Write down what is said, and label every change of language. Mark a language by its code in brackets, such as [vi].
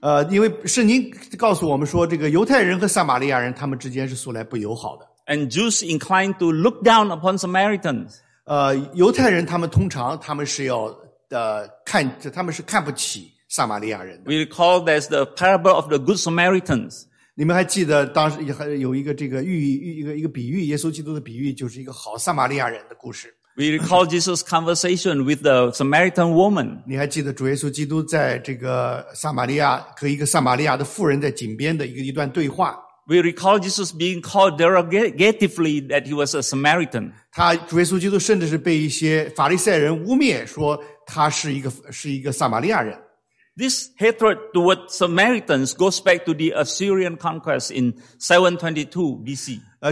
[zh] 因为圣经告诉我们说，这个犹太人和撒玛利亚人他们之间是素来不友好的。 [en] And Jews inclined to look down upon Samaritans. [zh] 犹太人他们是看不起撒玛利亚人的。 [en] We recall there's the parable of the good Samaritans. [zh] 你们还记得当时有一个这个寓意，一个比喻，耶稣基督的比喻就是一个好撒玛利亚人的故事。 [en] We recall Jesus' conversation with the Samaritan woman. [zh] 你还记得主耶稣基督在这个撒玛利亚和一个撒玛利亚的妇人在井边的一段对话。 [en] We recall Jesus being called derogatively that he was a Samaritan. [zh] 他主耶稣基督甚至是被一些法利赛人污蔑，说他是一个撒玛利亚人。 [en] This hatred toward Samaritans goes back to the Assyrian conquest in 722 BC.